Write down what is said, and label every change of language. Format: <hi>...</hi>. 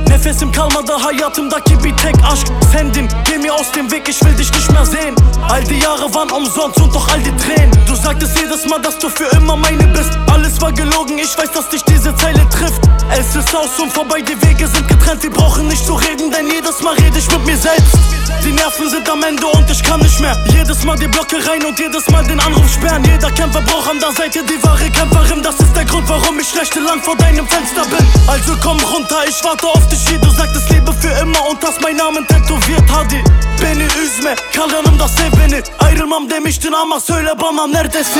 <tr>Nefesim kalmadı, hayatımdaki bir tek aşk sendin.</tr> <de>Geh mir aus dem Weg, ich will dich nicht mehr sehen. All die Jahre waren umsonst und doch all die Tränen. Du sagtest jedes Mal, dass du für immer meine bist. Alles war gelogen, ich weiß, dass dich diese Zeile trifft. Es ist aus und vorbei, die Wege sind getrennt. Wir brauchen nicht zu reden, denn jedes Mal rede ich mit mir selbst. Die Nerven sind am Ende und ich kann nicht mehr. Jedes Mal die Blöcke rein und jedes Mal den Anruf sperren. Jeder Kämpfer braucht an der Seite die wahre Kämpferin. Das ist der Grund, warum ich schlechte lang vor deinem Fenster bin. Also komm runter, ich warte auf dich hier. Du sagtest Liebe für immer und hast meinen Namen tätowiert.</de> <tr>Hadi, beni üzme, kalanım da sev beni. Ayrılmam demiştin ama söyle bana neredesin.</tr>